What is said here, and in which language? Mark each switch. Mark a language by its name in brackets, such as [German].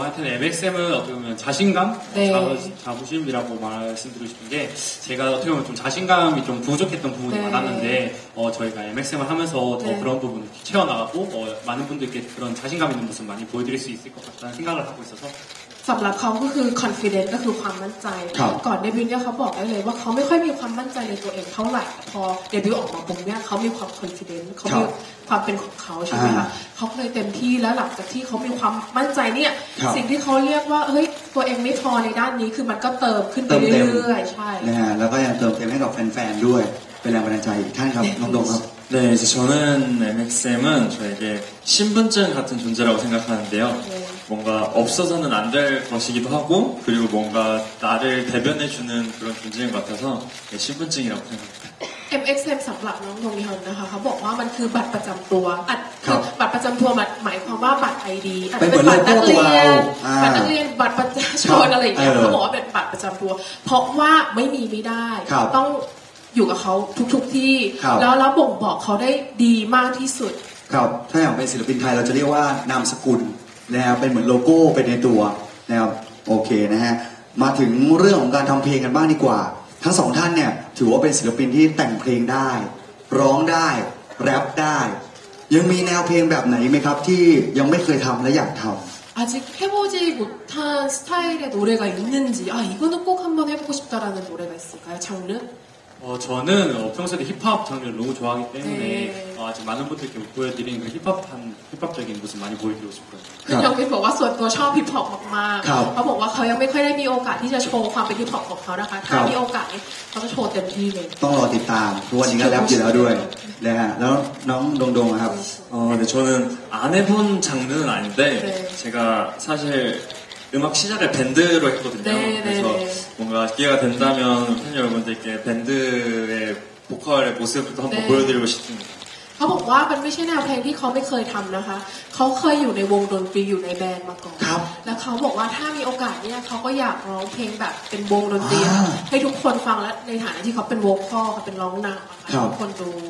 [Korean] 하여튼 MXM은 어떻게 보면 자신감? 네. 자부심이라고 말씀드리고 싶은 게 제가 어떻게 보면 좀 자신감이 좀 부족했던 부분이 네. 많았는데 저희가 MXM을 하면서 더 네. 그런 부분을 채워나가고 많은 분들께 그런 자신감 있는 모습 많이 보여드릴 수 있을 것 같다는 생각을 하고 있어서 [Thai] สำหรับเขาก็คือ confidence ก็คือความมั่นใจก่อนเดบิวต์เนี่ยเขาบอกได้เลยว่าเขาไม่ค่อยมีความมั่นใจในตัวเองเท่าไหร่พอเดบิวต์ออกมาปุ๊บเนี่ยเขามีความ confidence เขามีความเป็นของเขาใช่ไหมคะเขาเลยเต็มที่แล้วหลังจากที่เขามีความมั่นใจเนี่ยสิ่งที่เขาเรียกว่าเฮ้ยตัวเองไม่พอในด้านนี้คือมันก็เติมขึ้นไปเรื่อยๆใช่ นะฮะแล้วก็ยังเติมเต็มให้กับแฟนๆด้วยเป็นแรงบันดาลใจอีกท่านครับน้องดงครับ [Korean] 네, 이제 저는 MXM은 저에게 신분증 같은 존재라고 생각하는데요. 뭔가 없어서는 안 될 것이기도 하고 그리고 뭔가 나를 대변해주는 그런 존재인 것 같아서 신분증이라고 생각합니다. [Thai] MXM สำหรับน้องทงยอนนะคะเขาบอกว่ามันคือบัตรประจำตัวบัตรประจำตัวหมายความว่าบัตร ID เป็นบัตรเลี้ยงบัตรประชาชนอะไรอย่างเงี้ยเขาบอกว่าเป็นบัตรประจำตัวเพราะว่าไม่มีไม่ได้ต้อง อยู่กับเขาทุกๆที่แล้วเราบ่งบอกเขาได้ดีมากที่สุดครับถ้าอย่างเป็นศิลปินไทยเราจะเรียกว่านามสกุลนะครับเป็นเหมือนโลโก้เป็นในตัวนะครับโอเคนะฮะมาถึงเรื่องของการทำเพลงกันบ้างดีกว่าทั้งสองท่านเนี่ยถือว่าเป็นศิลปินที่แต่งเพลงได้ร้องได้แรปได้ยังมีแนวเพลงแบบไหนไหมครับที่ยังไม่เคยทำและอยากทำ [Korean] 아직 해보지 못한 스타일의 노래가 있는지 아 이거는 꼭 한번 해보고 싶다라는 노래가 있을까요? 장르? 저는 평소에 힙합 장르를 너무 좋아하기 때문에 네. 아직 많은 분들께 못 보여드린 그 힙합한 힙합적인 모습 많이 보여드리고 싶어요. 음악 시작을 밴드로 했거든요. 네, 그래서 네. 뭔가 기회가 된다면 팬 여러분들께 밴드의 보컬의 모습부터 한번 네. 보여드리고 싶습니다. [Thai] เขาบอกว่ามันไม่ใช่แนวเพลงที่เขาไม่เคยทำนะคะเขาเคยอยู่ในวงดนตรีอยู่ในแบนด์มาก่อนแล้วเขาบอกว่าถ้ามีโอกาสเนี่ยเขาก็อยากร้องเพลงแบบเป็นวงดนตรีให้ทุกคนฟังและในฐานะที่เขาเป็นโวคอลเป็นร้องนำให้ทุกคนดู